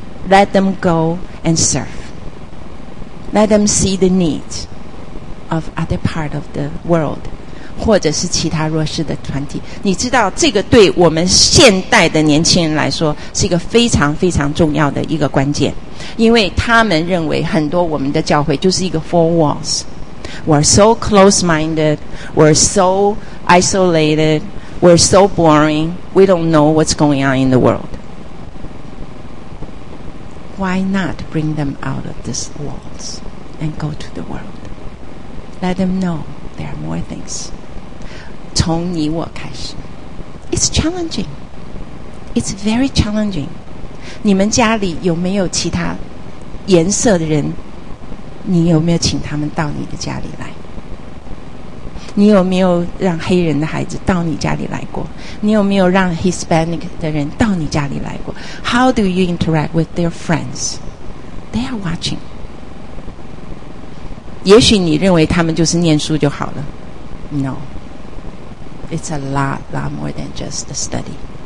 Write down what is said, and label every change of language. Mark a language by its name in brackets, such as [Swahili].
[English] Let them go and serve. Let them see the needs of other part of the world, [Chinese] 或者是其他弱势的团体。你知道这个对我们现代的年轻人来说是一个非常非常重要的一个关键，因为他们认为很多我们的教会就是一个 [English] four walls. We're so close-minded, we're so isolated, we're so boring, we don't know what's going on in the world. Why not bring them out of these walls and go to the world? Let them know there are more things. [Chinese] 从你我开始。 [English] It's challenging. It's very challenging. [Chinese] 你们家里有没有其他颜色的人？你有没有请他们到你的家里来？你有没有让黑人的孩子到你家里来过？你有没有让 Hispanic 的人到你家里来过？ [English] How do you interact with their friends? They are watching. [Chinese] 也许你认为他们就是念书就好了。 [English] No. It's a lot more than just the study.